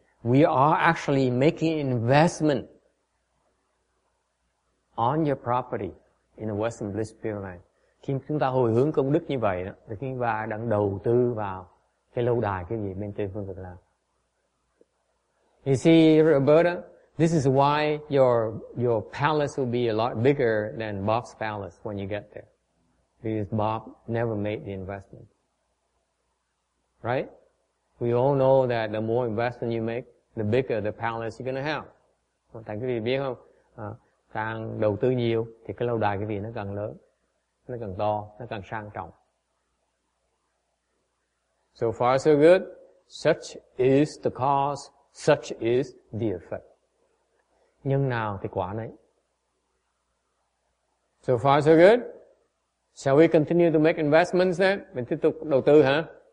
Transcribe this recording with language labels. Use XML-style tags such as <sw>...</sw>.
<en>We are actually making investment on your property in the Western Bliss Pure Land.</en> <vi>Khi chúng ta hồi hướng công đức như vậy đó, thì chúng ta đang đầu tư vào cái lâu đài cái gì bên Tây Phương Cực Lạc.</vi> <en>You see, Roberta, this is why your palace will be a lot bigger than Bob's palace when you get there. Because Bob never made the investment. Right? We all know that the more investment you make, the bigger the palace you're gonna have.</en> <vi>Tại quý vị biết không? Càng đầu tư nhiều thì cái lâu đài cái gì nó càng lớn. Nó càng to, nó càng sang trọng.</vi> <en>So far so good. Such is the cause, such is the effect. Nhân nào thì quả nấy. So far so good. Shall we continue to make investments then?</en> <vi>Mình tiếp tục đầu tư hả?</vi>